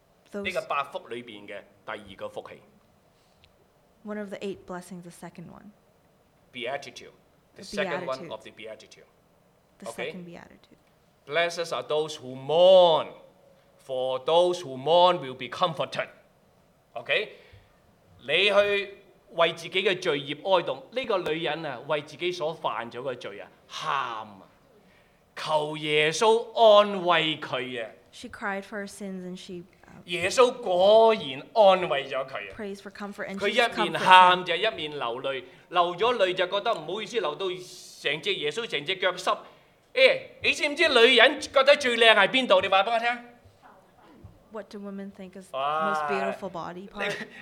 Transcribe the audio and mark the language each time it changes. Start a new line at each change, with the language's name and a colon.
Cantonese: 呢個八福裏邊嘅第二個福氣。
English: One of the eight blessings, the second one. Beatitude, the second one of the beatitude. The second beatitude. Blessed are those who mourn, for those who mourn will be comforted.
Cantonese: Okay, 你去。為自己的罪業哀痛，這個女人為自己所犯了的罪喊，求耶穌安慰她。
English: She cried for her sins and she.
Cantonese: 耶穌果然安慰了她。
English: Prays for comfort and she comforted her.
Cantonese: 她一面喊就一面流淚，流了淚就覺得不好意思，流到整隻耶穌整隻腳濕。欸，你知不知道女人覺得最漂亮是哪裡？你告訴我聽。
English: What do women think is the most beautiful body part?